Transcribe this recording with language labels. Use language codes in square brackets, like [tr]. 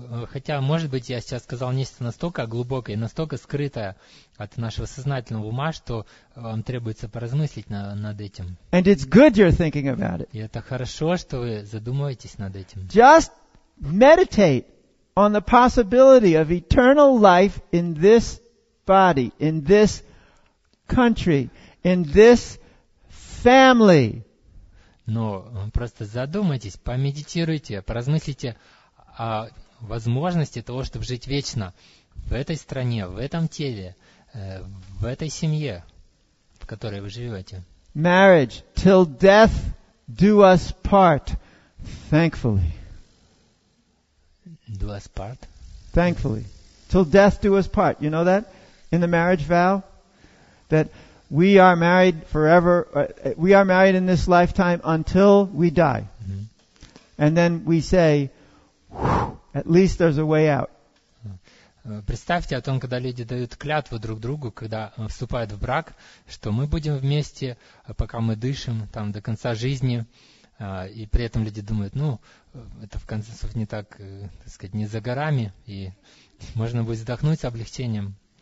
[ru] Хотя, может быть, я сейчас сказал нечто настолько глубокое, настолько скрытое от нашего сознательного ума, что вам требуется поразмыслить над этим. [en] And it's good you're thinking about it. [ru] И это хорошо, что вы задумываетесь над этим. [en] Just meditate on the possibility of eternal life in this body, in this country, in this family. [ru] Но просто задумайтесь, помедитируйте, поразмыслите о возможности того, чтобы жить вечно в этой стране, в этом теле, в этой семье, в которой вы живете. [en] Marriage, till death do us part, thankfully. Do us part? Thankfully. Till death do us part. You know that? In the marriage vow? That we are married forever, we are married in this lifetime until we die. Mm-hmm. And then we say, at least there's a way out. [ru] Представьте о том, когда люди дают клятву друг другу, когда вступают в брак, что мы будем вместе, пока мы дышим, там, до конца жизни, и при этом люди думают, ну, это в конце концов не так, так сказать, не за горами, и можно будет вздохнуть с облегчением.